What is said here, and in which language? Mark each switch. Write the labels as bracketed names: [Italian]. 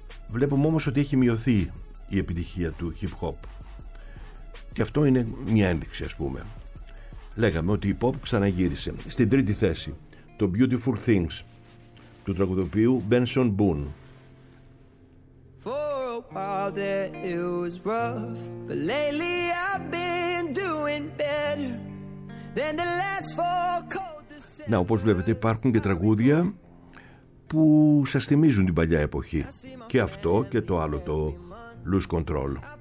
[Greek] Βλέπουμε όμως ότι έχει μειωθεί η επιτυχία του hip hop. Και αυτό είναι μια ένδειξη, ας πούμε. Λέγαμε ότι η pop ξαναγύρισε. Στην τρίτη θέση, το Beautiful Things του τραγουδοποιού Benson Boone. [English] For a while there it was rough, but lately I've been doing better than the last four cold December. [Greek] Να, όπως βλέπετε, υπάρχουν και τραγούδια που σας θυμίζουν την παλιά εποχή. Και αυτό και το άλλο, το Lose Control.